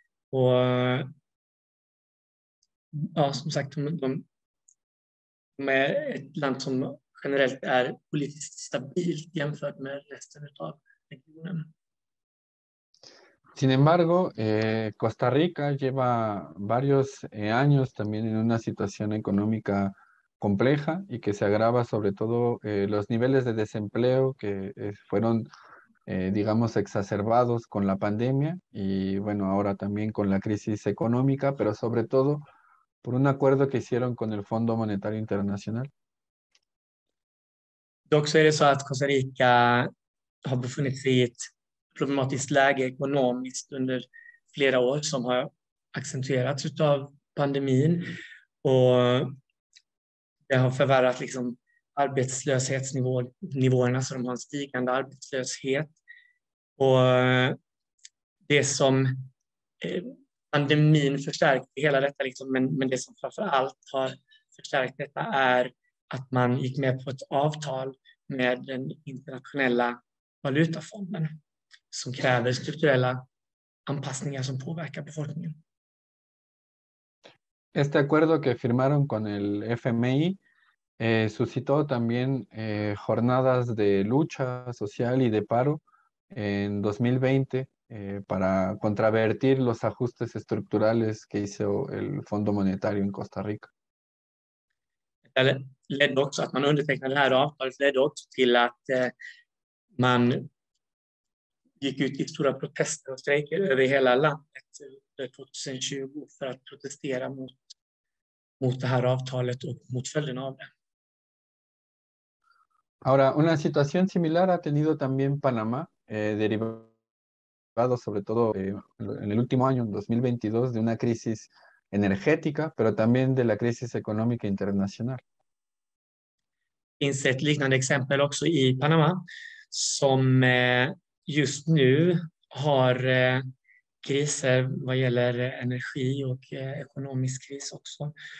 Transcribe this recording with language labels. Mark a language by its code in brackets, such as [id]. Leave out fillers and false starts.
[sv] Och ja, som sagt, med ett land som generellt är politiskt stabilt jämfört med resten av regionen. [es] Sin embargo, Costa Rica lleva varios años también en una situación económica compleja y que se agrava sobre todo los niveles de desempleo que fueron digamos, exacerbados con la pandemia y bueno, ahora también con la crisis económica, pero sobre todo por un acuerdo que hicieron con el Fondo Monetario Internacional. [sv] Dock så är det så att Costa Rica har befunnit sig i ett problematiskt läge ekonomiskt under flera år som har accentuerats av pandemin och det har förvärrat liksom arbetslöshetsnivåerna så de har en stigande arbetslöshet och det som pandemin förstärkte hela detta liksom, men det som framförallt har förstärkt detta är att man gick med på ett avtal med den internationella valutafonden som kräver strukturella anpassningar som påverkar befolkningen. [es] Este acuerdo que firmaron con el FMI suscitó también jornadas de lucha social y de paro en 2020 para contravertir los ajustes estructurales que hizo el Fondo Monetario en Costa Rica. [sv] Ledde också att man undertecknade det här avtalet ledde också till att man gick ut i stora protester och strejker över hela landet 2020 för att protestera mot det här avtalet och mot följden av det. [es] Ahora, una situación similar ha tenido también Panamá, derivado sobre todo en el último año, en 2022, de una crisis energética, pero también de la crisis económica internacional. [sv] Finns ett liknande exempel också i Panama, som just nu har kriser vad gäller energi och ekonomisk kris också.